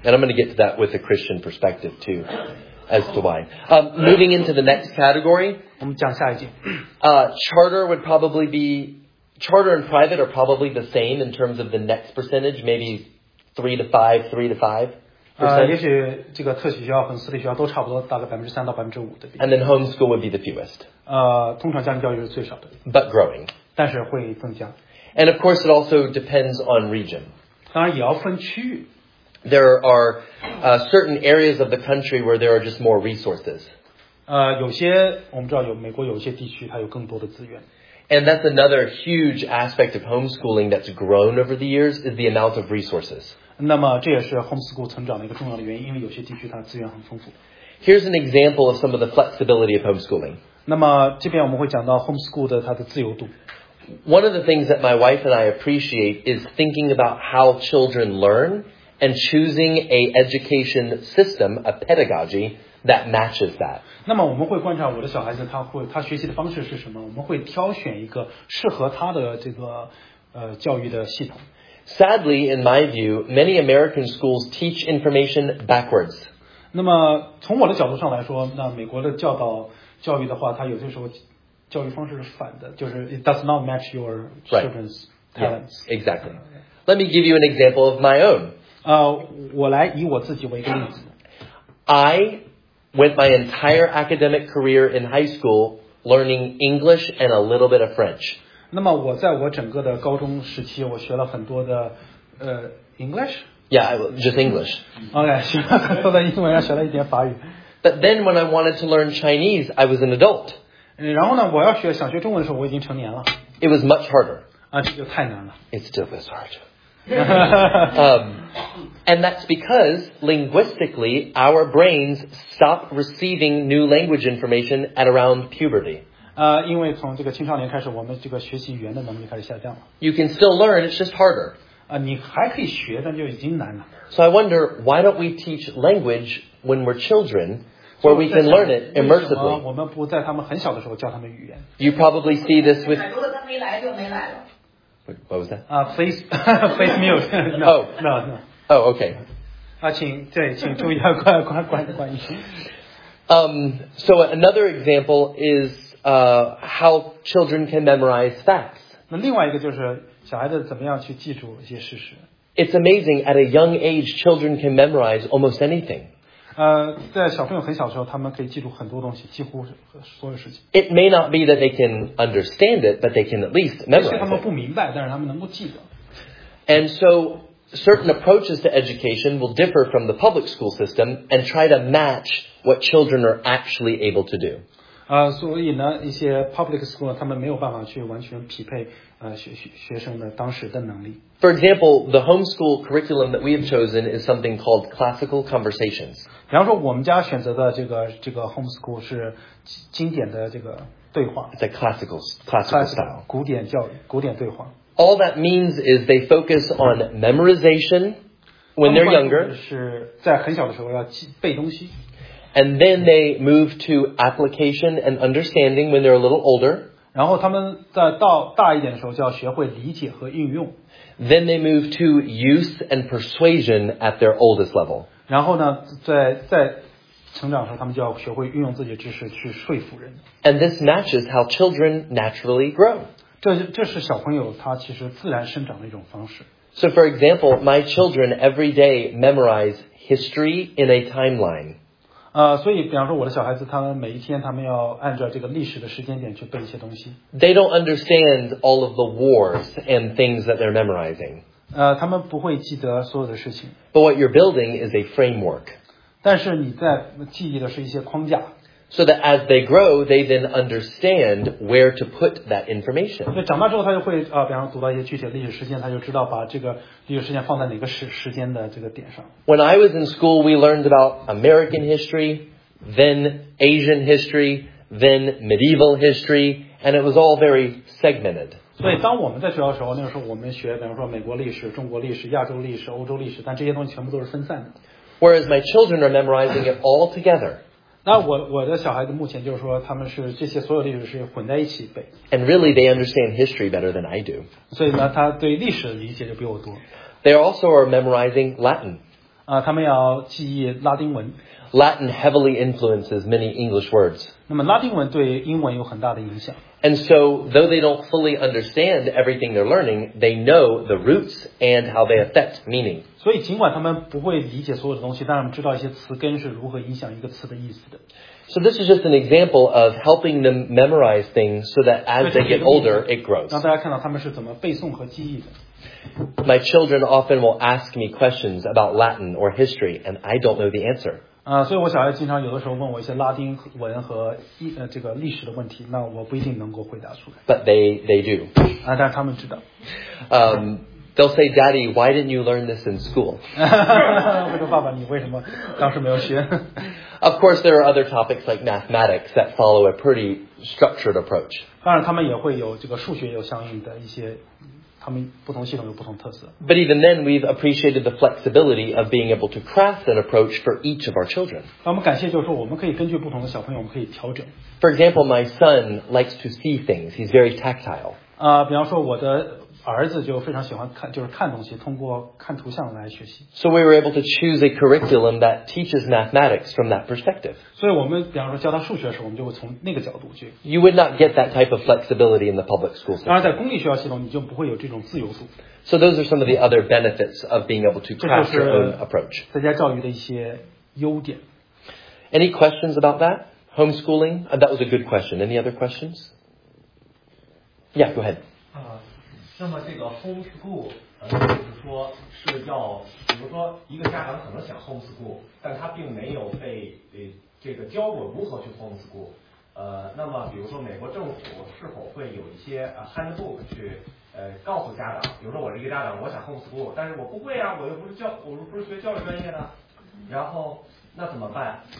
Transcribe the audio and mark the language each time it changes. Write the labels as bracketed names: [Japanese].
[English] And I'm going to get to that with a Christian perspective too, as to why. Moving into the next category. [Chinese] 我们讲下一句。 [English] Charter would probably be charter and private are probably the same in terms of the next percentage, maybe 3-5. [Chinese] 也许这个特许学校和私立学校都差不多，大概3%到5%的比例。 [English] And then homeschool would be the fewest. [Chinese] 通常家庭教育是最少的。 [English] But growing. [Chinese] 但是会增加。 [English] And of course, it also depends on region. [Chinese] 当然也要分区域。 [English] There are certain areas of the country where there are just more resources. [Chinese] 有些我们知道有美国有些地区它有更多的资源。 [English] And that's another huge aspect of homeschooling that's grown over the years is the amount of resources. [Chinese] 那么这也是 homeschool 成长的一个重要的原因，因为有些地区它的资源很丰富。 [English] Here's an example of some of the flexibility of homeschooling. [Chinese] 那么这边我们会讲到 homeschool 的它的自由度。 [English] One of the things that my wife and I appreciate is thinking about how children learn and choosing an education system, a pedagogy,that matches that. [Chinese] 那么我们会观察我的小孩子他学习的方式是什么，我们会挑选一个适合他的这个教育的系统。 [English] Sadly, in my view, many American schools teach information backwards. [Chinese] 那么从我的角度上来说，那美国的教育的话，它有些时候教育方式是反的，就是 [English] it does not match your children's talents. Yeah, exactly. Let me give you an example of my own. [Chinese] 我来以我自己为一个例子。 [English] I... went my entire academic career in high school learning English and a little bit of French. [Chinese] 那么我在我整个的高中时期我学了很多的English? [English] Yeah, just English. [Chinese] Okay, 学了很多的英文，学了一点法语。 [English] But then when I wanted to learn Chinese, I was an adult. [Chinese] 然后呢，我要学，想学中文的时候，我已经成年了。 [English] It was much harder. [Chinese] 这就太难了。 [English] It still was hard. And that's because, linguistically, our brains stop receiving new language information at around puberty. [Chinese] 因为从这个青少年开始，我们这个学习语言的能力开始下降了。 [English] You can still learn, it's just harder. [Chinese] 你还可以学，但就已经难了。 [English] So I wonder, why don't we teach language when we're children, where we can learn it immersively? [Chinese] 为什么我们不在他们很小的时候教他们语言？ [English] You probably see this with... What was that? Please mute. Oh, okay. [Chinese] 请注意一下，关音。 [English] So another example is how children can memorize facts. [Chinese] 那另外一个就是小孩子怎么样去记住一些事实。 [English] It's amazing at a young age, children can memorize almost anything. [Chinese] 在小朋友很小的时候，他们可以记住很多东西，几乎所有事情。 [English] It may not be that they can understand it, but they can at least memorize it. [Chinese] 也许他们不明白，但是他们能够记得。 [English] And so. Certain approaches to education will differ from the public school system and try to match what children are actually able to do. [Chinese] 所以呢，一些 public school 他们没有办法去完全匹配学生的当时的能力。 [English] For example, the homeschool curriculum that we have chosen is something called classical conversations. [Chinese] 比方说，我们家选择的这个 homeschool 是经典的这个对话。 [English] It's a classical style. [Chinese] 古典教育，古典对话。 [English] All that means is they focus on memorization when they're younger. [Chinese] 是在很小的时候要背东西。 [English] And then they move to application and understanding when they're a little older. [Chinese] 然后他们在到大一点的时候就要学会理解和应用。 [English] Then they move to use and persuasion at their oldest level. [Chinese] 然后呢，在成长的时候，他们就要学会运用自己的知识去说服人。 [English] And this matches how children naturally grow. [Chinese] 这是小朋友他其实自然生长的一种方式。 [English] So for example, my children every day memorize history in a timeline. [Chinese] 所以比方说我的小孩子他们每一天他们要按照这个历史的时间点去背一些东西。 [English] They don't understand all of the wars and things that they're memorizing. [Chinese] 他们不会记得所有的事情。 [English] But what you're building is a framework. [Chinese] 但是你在记忆的是一些框架。 [English] So that as they grow, they then understand where to put that information. [Chinese] 那长大之后，他就会比方读到一些具体的历史事件，他就知道把这个历史事件放在哪个时间的这个点上。 [English] When I was in school, we learned about American history, then Asian history, then medieval history, and it was all very segmented. [Chinese] 所以当我们在学校的时候，那个时候我们学，比方说美国历史、中国历史、亚洲历史、欧洲历史，但这些东西全部都是分散的。 [English] Whereas my children are memorizing it all together. [Chinese] 那我的小孩子目前就是说他们是这些所有历史事情混在一起背。 [English] And really they understand history better than I do. [Chinese] 所以呢他对历史的理解就比我多。 [English] They also are memorizing Latin. [Chinese] 他们要记忆拉丁文。 [English] Latin heavily influences many English words. [Chinese] 那么拉丁文对英文有很大的影响。 [English] And so, though they don't fully understand everything they're learning, they know the roots and how they affect meaning. [Chinese] 所以尽管他们不会理解所有的东西，但他们知道一些词根是如何影响一个词的意思的。 [English] So this is just an example of helping them memorize things so that as they get older, it grows. [Chinese] 让大家看到他们是怎么背诵和记忆的。 [English] My children often will ask me questions about Latin or history, and I don't know the answer. [Chinese] 所以我小孩经常有的时候问我一些拉丁文和这个历史的问题，那我不一定能够回答出来。 [English] But they do. [Chinese] 但他们知道。 [English] They'll say, Daddy, why didn't you learn this in school? [Chinese] 我说爸爸，你为什么当时没有学？ [English] Of course, there are other topics like mathematics that follow a pretty structured approach. [Chinese] 当然，他们也会有这个数学有相应的一些。他们不同系统有不同特色。 [English] But even then, we've appreciated the flexibility of being able to craft an approach for each of our children. [Chinese] 我们感谢就是说，我们可以根据不同的小朋友，我们可以调整。 [English] For example, my son likes to see things. He's very tactile. [Chinese] 比方说我的儿子就非常喜欢看，就是看东西，通过看图像来学习。 [English] So we were able to choose a curriculum that teaches mathematics from that perspective. [Chinese] 所以我们比方说教他数学的时候，我们就会从那个角度去。 [English] You would not get that type of flexibility in the public school system. [Chinese] 当然，在公立学校系统，你就不会有这种自由度。 [English] So those are some of the other benefits of being able to craft your own approach. [Chinese] 在家教育的一些优点。 [English] Any questions about that? Homeschooling? That was a good question. Any other questions? Yeah, go ahead. [Chinese] 那么这个 homeschool， 就是说是要，比如说一个家长可能想 homeschool， 但他并没有被这个教过如何去 homeschool， 那么比如说美国政府是否会有一些handbook 去告诉家长，比如说我是一个家长，我想 homeschool， 但是我不会啊，我又不是教，我又不是学教育专业的，然后那怎么办？